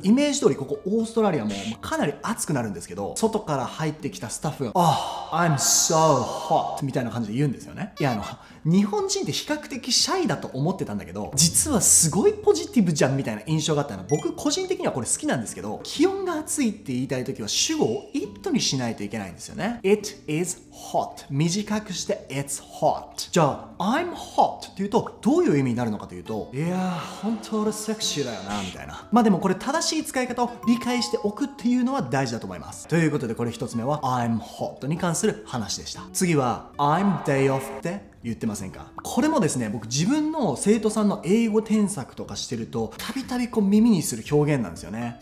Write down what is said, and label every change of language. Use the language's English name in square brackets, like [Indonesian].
[Japanese] イメージ通りここオーストラリアもかなり暑くなるんですけど、外から入ってきたスタッフが、あ、 I'm so hot みたいな感じで言うんですよね。いや、日本人って比較的シャイだと思ってたんだけど、実はすごいポジティブじゃんみたいな印象があったの。僕個人的にはこれ好きなんですけど、気温が暑いって言いたい時は主語を it にしないといけないんですよね。 [English] It is hot 短くして It's hot。 [Japanese] じゃあ I'm hot っていうとどういう意味になるのかというと、いやー本当俺セクシーだよなみたいな。まあでもこれ正しい使い方を理解しておくっていうのは大事だと思います。ということでこれ一つ目は I'm hot に関する話でした。次は I'm day off って言ってませんか？これもですね、僕自分の生徒さんの英語添削とかしてるとたびたびこう耳にする表現なんですよね。